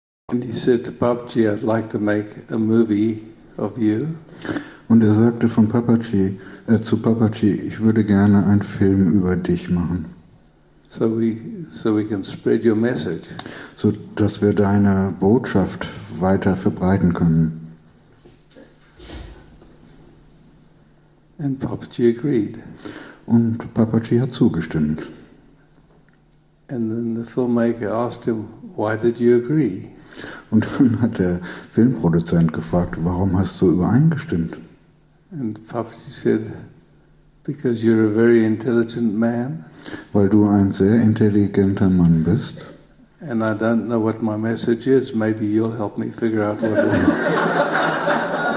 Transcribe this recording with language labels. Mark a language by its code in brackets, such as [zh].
[en] And he said to Papaji, I'd like to make a movie of you. [de] Und er sagte von Papaji, zu Papaji, ich würde gerne einen Film über dich machen. [en] So we can spread your message. [de] So dass wir deine Botschaft weiter verbreiten können. [en] And Papaji agreed. [de] Und Papaji hat zugestimmt. [en] And then the filmmaker asked him, why did you agree? [de] Und dann hat der Filmproduzent gefragt, warum hast du übereingestimmt? [en] And Papaji said, because you're a very intelligent man. [de] Weil du ein sehr intelligenter Mann bist. [en] And I don't know what my message is. Maybe you'll help me figure out what it is.